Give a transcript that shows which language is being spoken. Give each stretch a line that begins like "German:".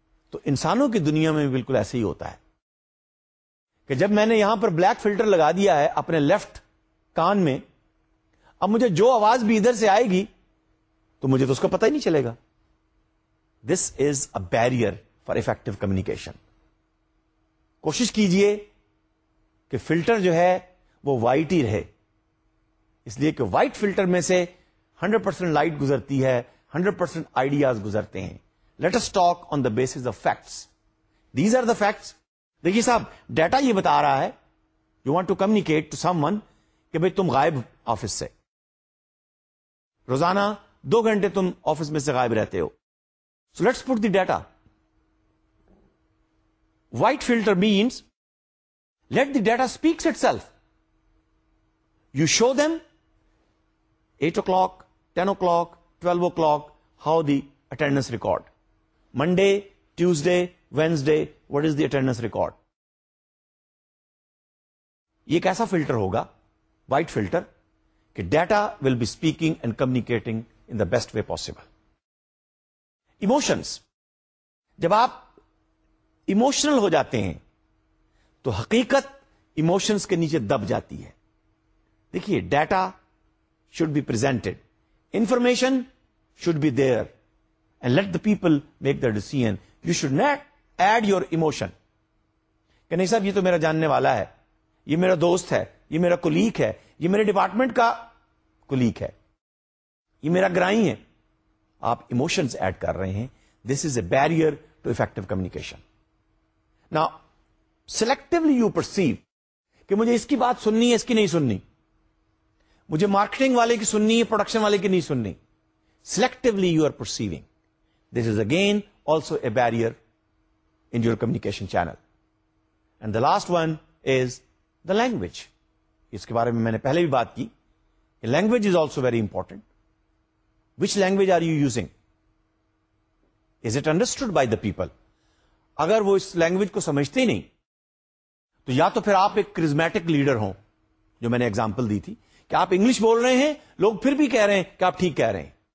Urdu: تو انسانوں کی دنیا میں بالکل ایسے ہی ہوتا ہے کہ جب میں نے یہاں پر بلیک فلٹر لگا دیا ہے اپنے لیفٹ کان میں, اب مجھے جو آواز بھی ادھر سے آئے گی تو مجھے تو اس کا پتہ ہی نہیں چلے گا.
English: This is a barrier for effective communication.
Urdu: کوشش کیجئے کہ فلٹر جو ہے وہ وائٹ ہی رہے, اس لیے کہ وائٹ فلٹر میں سے 100% لائٹ گزرتی ہے, 100% آئیڈیاز گزرتے ہیں.
English: Let us talk on the basis of facts, these are the facts.
Urdu: دیکھیے صاحب, ڈیٹا یہ بتا رہا ہے,
English: you want to communicate to someone
Urdu: کہ بھائی تم غائب آفس سے, روزانہ 2 گھنٹے تم آفس میں سے غائب رہتے ہو.
English: So let's put the data. White filter means let the data speaks itself. You show them 8 o'clock, 10 o'clock, 12 o'clock, how the attendance record, Monday, Tuesday, Wednesday, what is the attendance record?
Urdu: یہ کیسا filter ہوگا,
English: White filter, کہ data will be speaking and communicating in the best way possible.
Urdu: Emotions, جب آپ emotional ہو جاتے ہیں تو حقیقت ایموشنس کے نیچے دب جاتی ہے.
English: دیکھیے, data should be presented, information should be there, and let the people make their decision. You should not add your emotion
Urdu: کہ نہیں صاحب یہ تو میرا جاننے والا ہے, یہ میرا دوست ہے, یہ میرا کولیگ ہے, یہ میرے ڈپارٹمنٹ کا کولیگ ہے, یہ میرا گرائی ہے. آپ ایموشنز ایڈ کر رہے ہیں,
English: This is a barrier to effective communication. Now, selectively you perceive
Urdu: کہ مجھے اس کی بات سننی ہے اس کی نہیں سننی, مجھے مارکیٹنگ والے کی سننی ہے پروڈکشن والے کی نہیں سننی.
English: Selectively you are perceiving. This is again also a barrier in your communication channel. And the last one is the language.
Urdu: اس کے بارے میں میں نے پہلے بھی بات کی.
English: Language is also very important. Which language are you using? Is it understood by the people?
Urdu: اگر وہ اس language کو سمجھتے ہی نہیں تو یا تو پھر آپ ایک کرزمیٹک لیڈر ہوں, جو میں نے ایگزامپل دی تھی کہ آپ انگلش بول رہے ہیں لوگ پھر بھی کہہ رہے ہیں کہ آپ ٹھیک کہہ رہے ہیں.